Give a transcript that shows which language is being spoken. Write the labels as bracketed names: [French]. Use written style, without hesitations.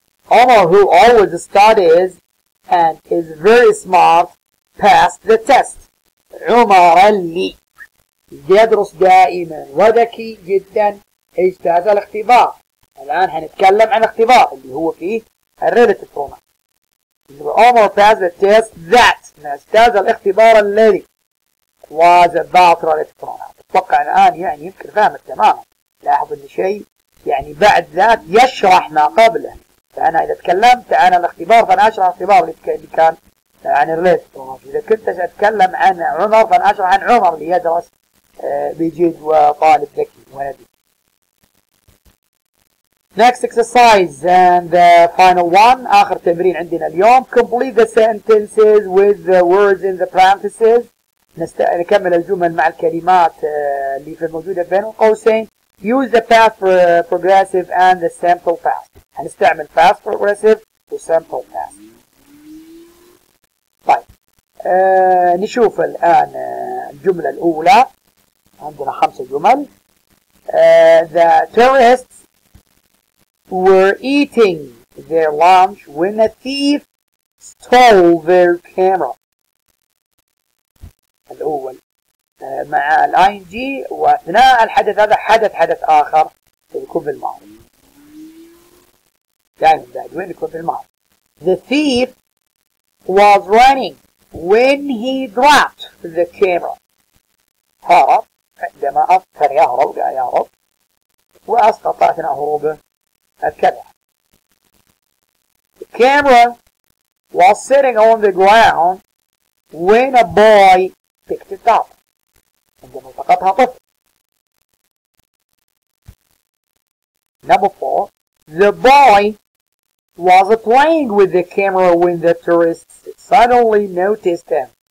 [English] Omar, who always studies and is very smart, passed the test. [Arabic] عمر اللي يدرس دائما وذكي جدا اجتاز الاختبار. الآن هنتكلم عن اختبار اللي هو فيه الريليتيف بروناون. [English] Omar passed the test that [Arabic] اجتاز الاختبار الذي [English] was about relative pronouns. [Arabic] اتوقع الآن يعني يمكن فهمت تماما. لاحظ ان شيء يعني بعد ذات يشرح ما قبله. فأنا إذا تكلمت عن الاختبار فأنا أشرح الاختبار اللي كان عن الريليتيف بروناونز. إذا كنت أتكلم عن عمر فأنا أشرح عن عمر اللي يدرس بجد وطالب ذكي ولدي. [English] Next exercise and the final one. [Arabic] آخر تمرين عندنا اليوم. [English] Complete the sentences with the words in the parentheses. [Arabic] نكمل الجمل مع الكلمات اللي في الموجودة بين القوسين. [English] Use the past progressive and the simple past. [Arabic] هنستعمل past progressive و simple past. طيب نشوف الآن الجملة الأولى. عندنا خمسة جمل. [English] The tourists were eating their lunch when a thief stole their camera. [Arabic] الأول مع الـ ING وأثناء الحدث هذا حدث آخر يكون في الماضي. دائما وين يكون في الماضي. [English] The thief was running when he dropped the camera. [Arabic] هرب عندما أفكر يهرب قال يهرب وأسقط أثناء هروبه الكاميرا. [English] The camera was sitting on the ground when a boy picked it up. [Arabic] عندما التقطها طفل. [English] Number four. The boy was playing with the camera when the tourists suddenly noticed him.